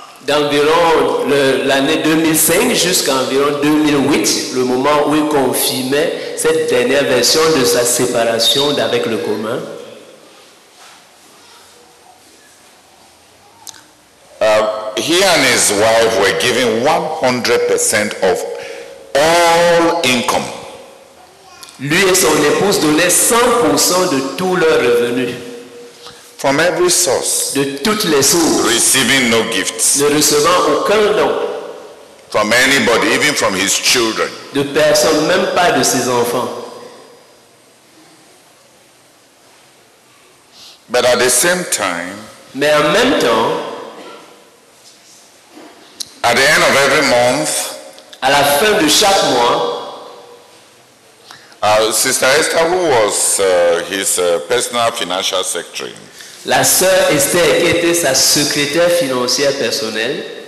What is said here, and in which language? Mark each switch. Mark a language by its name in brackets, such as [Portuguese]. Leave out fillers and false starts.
[French] D'environ l'année 2005 jusqu'environ 2008, le moment où il confirmait cette dernière version de sa séparation d'avec le commun. [English] He and his wife were given 100% of all income. [French] Lui et son épouse donnaient 100% de tous leurs revenus. [English] From every source. [French] De toutes les sources. [English] Receiving no gifts. [French] Ne recevant aucun don. [English] From anybody, even from his children. [French] De personne, même pas de ses enfants. [English] But at the same time. [French] Mais en même temps. [English] At the end of every month. [French] À la fin de chaque mois. [English] Sister Esther, who was his personal financial secretary. [French] La sœur Esther, qui était sa secrétaire financière personnelle,